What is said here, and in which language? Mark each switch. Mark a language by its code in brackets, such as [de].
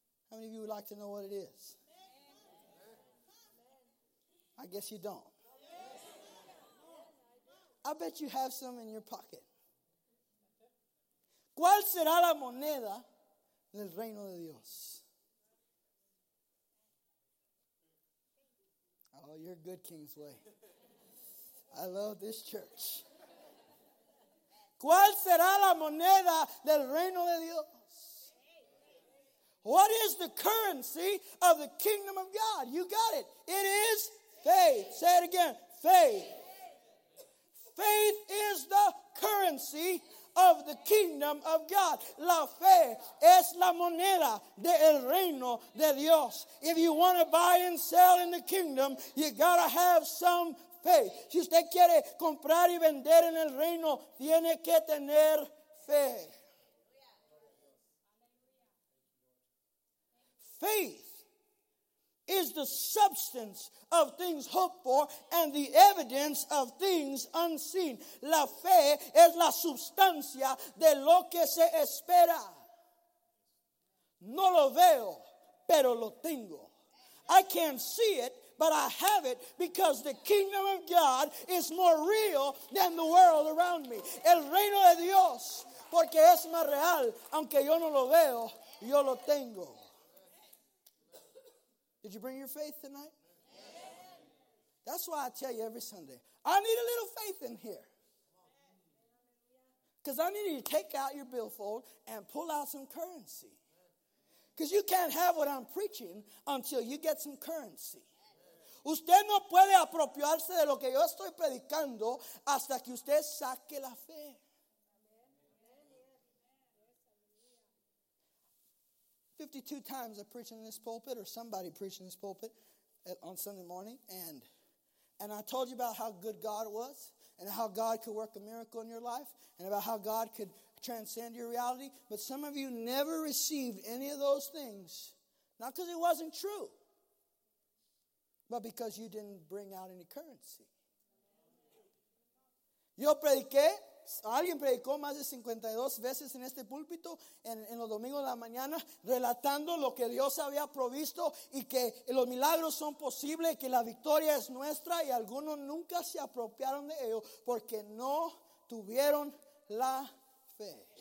[en] How many of you would like to know what it is? I guess you don't. I bet you have some in your pocket. [es] ¿Cuál será la moneda del reino de Dios? [en] Oh, you're good, Kingsway. I love this church. [es] ¿Cuál será la moneda del reino de Dios? [en] What is the currency of the kingdom of God? You got it. It is faith. Say it again. Faith. Faith is the currency of the kingdom of God. [es] La fe es la moneda del reino de Dios. [en] If you want to buy and sell in the kingdom, you got to have some faith. [es] Si usted quiere comprar y vender en el reino, tiene que tener fe. [en] Faith is the substance of things hoped for and the evidence of things unseen. [es] La fe es la sustancia de lo que se espera. No lo veo, pero lo tengo. [en] I can't see it, but I have it because the kingdom of God is more real than the world around me. [es] El reino de Dios, porque es más real, aunque yo no lo veo, yo lo tengo. [en] Did you bring your faith tonight? That's why I tell you every Sunday, I need a little faith in here. Because I need you to take out your billfold and pull out some currency. Because you can't have what I'm preaching until you get some currency. [es] Usted no puede apropiarse de lo que yo estoy predicando hasta que usted saque la fe. [en] Fifty-two times I preach in this pulpit, or somebody preached in this pulpit on Sunday morning, and I told you about how good God was and how God could work a miracle in your life and about how God could transcend your reality. But some of you never received any of those things, not because it wasn't true, but because you didn't bring out any currency. [es] Yo prediqué. Alguien predicó más de 52 veces en este púlpito en los domingos de la mañana, relatando lo que Dios había provisto y que los milagros son posibles, que la victoria es nuestra, y algunos nunca se apropiaron de ello porque no tuvieron la fe.